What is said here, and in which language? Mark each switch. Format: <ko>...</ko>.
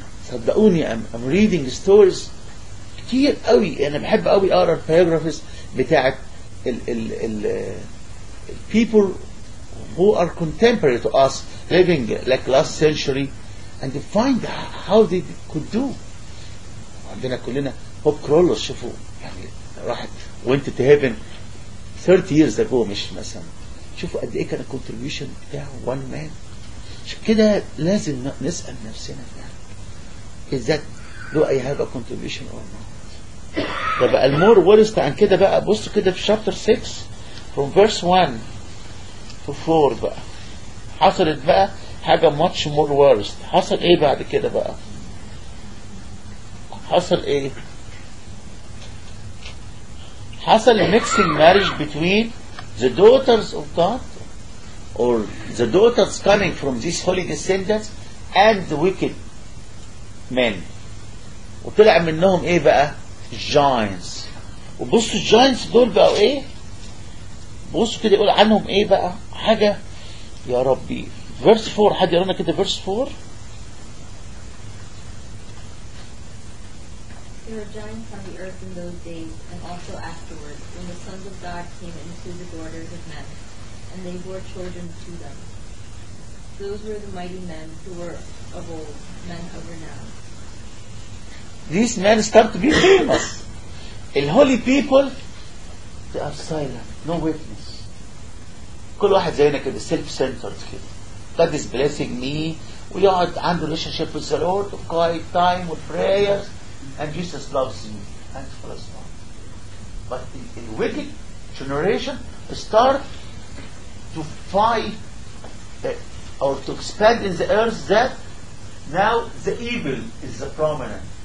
<ar>صدقوني</ar> <en>I'm reading stories</en> <ar>كتير قوي. أنا بحب قوي أقرأ البيوغرافيز بتاعة ال</ar> <en>people who are contemporary to us living like last century and to find how they could do.</en> <ar>عندنا كلنا هوب كرولوس شوفوا يعني راحت</ar> <en>went to heaven 30 years ago</en> <ar>مش مثلا شوفوا قد إيه كان contribution بتاع</ar> <en>one man.</en> <ar>كده لازم نسأل نفسنا</ar> <en>is that do I have a contribution or not.</en> <ar>طب المور ورست عن كده بقى بصوا كده في chapter 6</ar> <en>from verse 1 to 4</en> <ar>بقى حصلت بقى حاجة</ar> <en>much more worst.</en> <ar>حصل ايه بعد كده بقى حصل ايه حصل</ar> <en>mixing marriage between the daughters of God or the daughters coming from these holy descendants and the wicked men.</en> <ar>وطلع منهم ايه بقى giants. وبصوا giants دول بقى ايه بصوا كده يقول عنهم ايه بقى حاجة يا ربي verse 4 حد يرانا كده verse 4</ar> <en>there were giants on the earth in those days and also afterwards when the sons of God came into the borders of men and they bore children to them. Those were the mighty men who were of old, men of renown. These men start to be famous. The holy people, they are silent, no witness.</en> <ar>كل واحد زينا كده self-centered كده.</ar> <en>God is blessing me. We are in relationship with the Lord, of quiet time, with prayers, and Jesus loves me. Thanks for us all. But the wicked generation start to fight or to expand in the earth that now the evil is the prominent.</en>